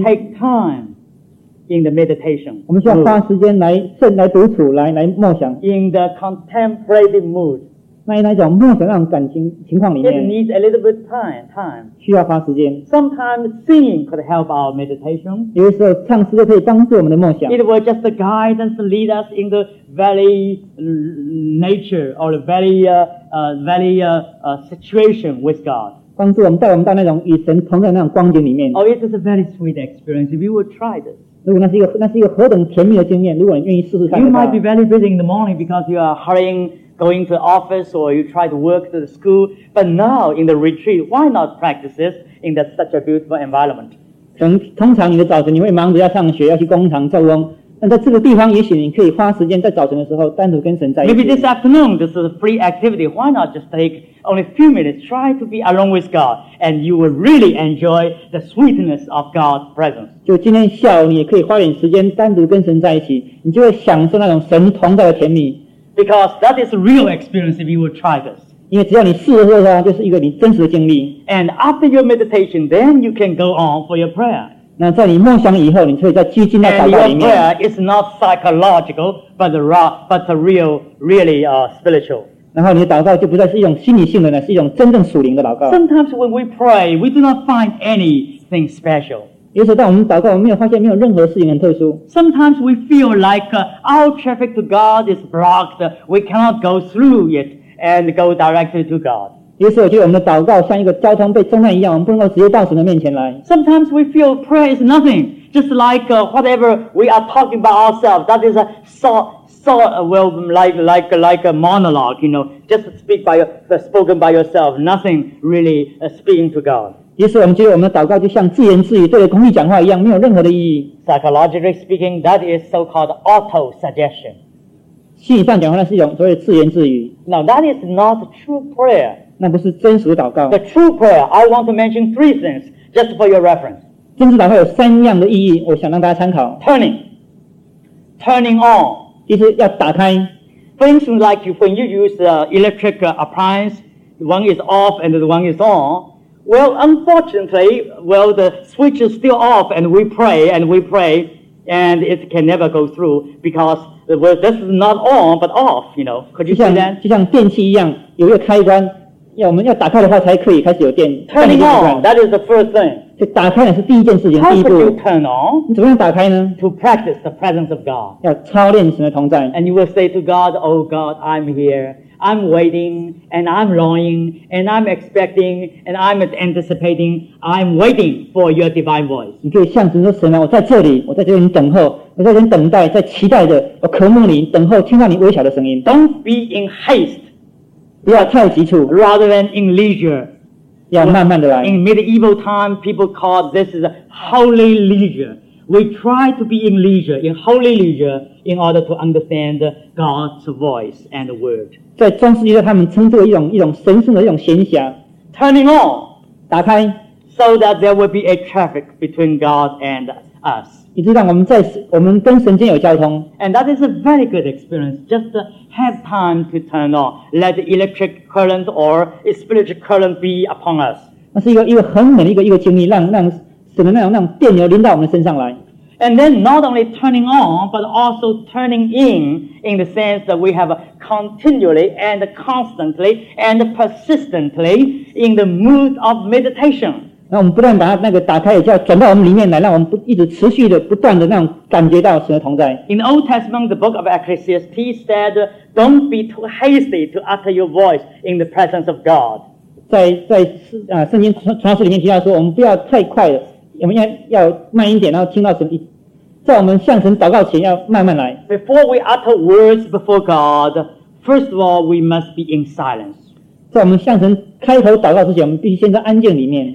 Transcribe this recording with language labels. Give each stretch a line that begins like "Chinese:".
English: Take time in the meditation，
Chinese: 我们需要花时间来正来独处，来默想。
English: In the contemplative mood。
Chinese: 那一来讲，默想那种感情情况里面
English: ，it needs a little bit time，
Chinese: 需要花时间。
English: Sometimes singing could help our meditation，
Chinese: 有的时候唱诗歌可以帮助我们的梦想。
English: It will just guide us, lead us in the very nature or the situation with God，
Chinese: 帮助我们带我们到那种与神同在那种光景里面。
English: Oh, it is a very sweet experience. If you would try this。
Chinese: 如果那是一个何等甜蜜的经验，如果你愿意试试看。
English: You might be very busy in the morning because you are hurrying going to the office or you try to work to the school. But now in the retreat, why not practice this in such a beautiful environment?
Chinese: 通常你的早晨你会忙着要上学，要去工厂做工。那在这个地方，也许你可以花时间在早晨的时候单独跟神在一起。
English: Maybe this afternoon, this is a free activity. Why not just take only a few minutes, try to be alone with God, and you will really enjoy the sweetness of God's presence.
Chinese: 就今天下午，你也可以花点时间单独跟神在一起，你就会享受那种神同在的甜蜜。
English: Because that is a real experience if you will try this.
Chinese: 因为只要你试了之后，就是一个你真实的经历。
English: And after your meditation, then you can go on for your prayer.
Chinese: 那在你梦想以后，你可以再聚精在祷告里面。
English: And your prayer is not psychological, but real, really, spiritual.
Chinese: 然后你的祷告就不再是一种心理性的呢，是一种真正属灵的祷告。
English: Sometimes when we pray, we do not find anything special.
Chinese: 有时候当我们祷告，我们没有发现没有任何事情很特殊。
English: Sometimes we feel like our traffic to God is blocked. We cannot go through it and go directly to God.
Chinese: 有时候我觉得我们的祷告像一个交通被中断一样，我们不能够直接到神的面前来。
English: Sometimes we feel prayer is nothing, just like whatever we are talking about ourselves. That is a like a monologue, you know, just spoken by yourself, nothing really speaking to God.
Chinese: 有时候我们觉得我们的祷告就像自言自语对着空气讲话一样，没有任何的意义。
English: Psychologically speaking, that is so-called auto suggestion.
Chinese: 心理上讲话那是一种所谓自言自语。
English: Now that is not true prayer.
Chinese: 那不是真实的祷告。
English: The true prayer, I want to mention three things just for your reference.
Chinese: 真实祷告有三样的意义，我想让大家参考。
English: Turning on.
Chinese: 就是要打开。
English: For instance, like when you use electric appliance, one is off and the one is on. Well, unfortunately, well, the switch is still off and we pray and we pray and it can never go through because well, this is not on but off, you know. Could you see that?
Chinese: 就像电器一样，有一个开关，要我们要打开的话才可以开始有电。
English: Turning on, that is the first thing.
Chinese: 就打开是第一件事情，第一步。
English: How could you turn on?
Chinese: 你怎么样打开呢？
English: To practice the presence of God.
Chinese: 要操练神的同在。
English: And you will say to God, Oh God, I'm here. I'm waiting, and I'm longing, and I'm expecting, and I'm anticipating, I'm waiting for your divine voice.
Chinese: 你可以向神说，神啊，我在这里，我在这里等候，我在这里等待，在期待着，我渴慕你，等候听到你微小的声音。
English: Don't be in haste.
Chinese: 不要太急促。
English: Rather than in leisure.
Chinese: 要慢慢的来。
English: In medieval time, people called this is a holy leisure. We try to be in leisure, in holy leisure, in order to understand God's voice and the word.
Chinese: 在中世纪他们称作一种神圣的一种闲暇
English: Turning on
Chinese: 打开
English: So that there will be a traffic between God and us
Chinese: 以致让我们跟神间有交通
English: And that is a very good experience Just have time to turn on Let the electric current or spiritual current be upon us
Chinese: 那是一个很美的一个经历让神的那种电流淋到我们身上来
English: And then not only turning on, but also turning in the sense that we have continually and constantly and persistently in the mood of meditation.
Chinese: 那我们不断把那个打开，也叫转到我们里面来，让我们不一直持续的、不断的那种感觉到神的同在。
English: In the Old Testament, the book of Ecclesiastes said, "Don't be too hasty to utter your voice in the presence of God."
Chinese: 在圣经传道书里面提到说，我们不要太快了。我们要慢一点，然后听到神，在我们向神祷告前要慢慢来。
English: Before we utter words before God, first of all, we must be in silence.
Chinese: 在我们向神开口祷告之前，我们必须先在安静里面。